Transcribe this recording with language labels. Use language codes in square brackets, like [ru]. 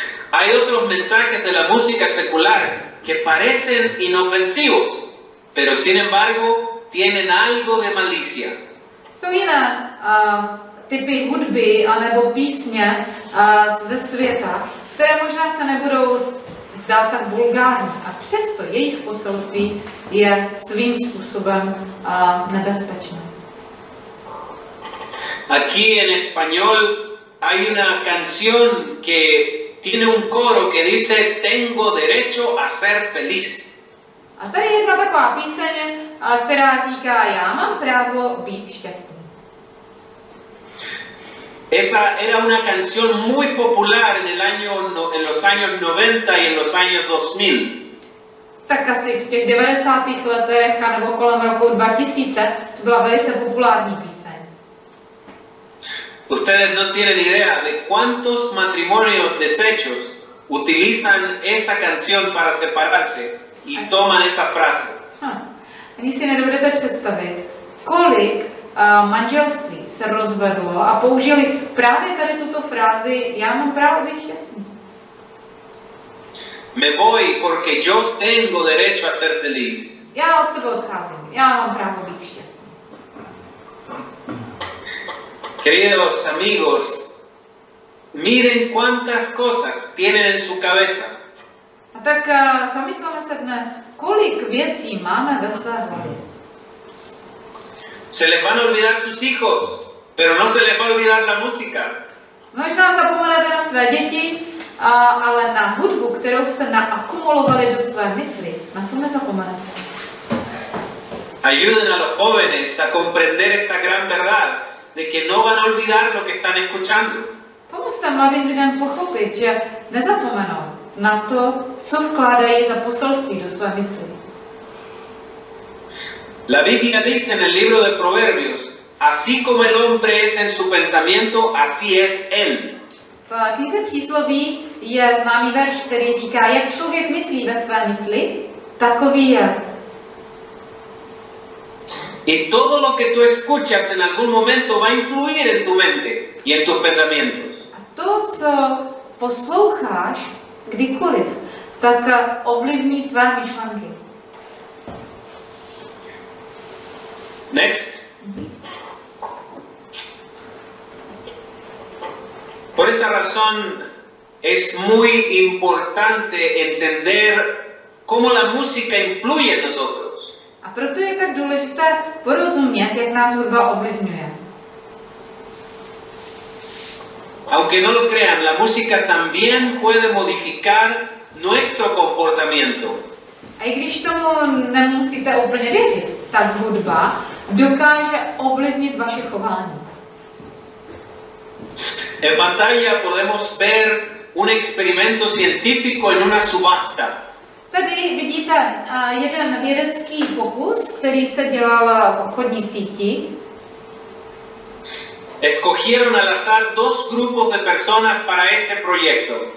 [es] Hay otros mensajes de la música secular que parecen inofensivos, pero sin embargo tienen algo de malicia. [cs] Jsou jiné typy hudby anebo písně ze světa, které možná se nebudou zdát tak vulgární, a přesto jejich poselství je svým způsobem nebezpečné. [es] Aquí en español hay una canción que tiene un coro que dice tengo derecho a ser feliz. [cs] A tady je jedna taková píseň, která říká já mám právo být šťastný. [es] Esa era una canción muy popular en el año en los años 90 y en los años 2000. [cs] Tak asi v těch 90. letech nebo kolem roku 2000 to byla velice populární píseň. [es] Ustedes no tienen idea de cuántos matrimonios deshechos utilizan esa canción para separarse y toman esa frase. [cs] Ani si nedovedete představit, kolik manželství se rozvedlo a použili právě tady tuto frázi, já mám právo být šťastný. [es] Me voy porque yo tengo derecho a ser feliz. [cs] Já od tebe odcházím, já mám právo být šťastný. [es] Queridos amigos, miren cuántas cosas tienen en su cabeza. [cs] A tak zamysleme se dnes, kolik věcí máme ve své hlavě. [es] Se les van a olvidar sus hijos, pero no se les va a olvidar la música. [cs] Možná zapomenete na své děti, ale na hudbu, kterou jste naakumulovali do své mysli, na to nezapomenete. [es] Ayuden a los jóvenes a comprender esta gran verdad. De que no van a olvidar lo que están escuchando. [cs] Pomozte mladým lidem pochopit, že nezapomenou na to, co vkládají za poselství do své mysli. [es] La Biblia dice en el libro de Proverbios, así como el hombre es en su pensamiento, así es él. [cs] V knize přísloví je známý verš, který říká, jak člověk myslí ve své mysli, takový je. [es] Y todo lo que tú escuchas en algún momento va a influir en tu mente y en tus pensamientos. [cs] A to, co posloucháš kdykoliv, tak ovlivní tvé myšlenky. [en] Next. [es] Por esa razón es muy importante entender cómo la música influye en nosotros. [cs] A proto je tak důležité porozumět, jak nás hudba ovlivňuje. [es] Aunque no lo crean, la música también puede modificar nuestro comportamiento. [cs] A i když tomu nemusíte úplně věřit, tak hudba dokáže ovlivnit vaše chování. [es] En pantalla podemos ver un experimento científico en una subasta. [cs] Tady vidíte jeden vědecký pokus, který se dělal v obchodní síti. [es] Escogieron al azar dos grupos de personas para este proyecto.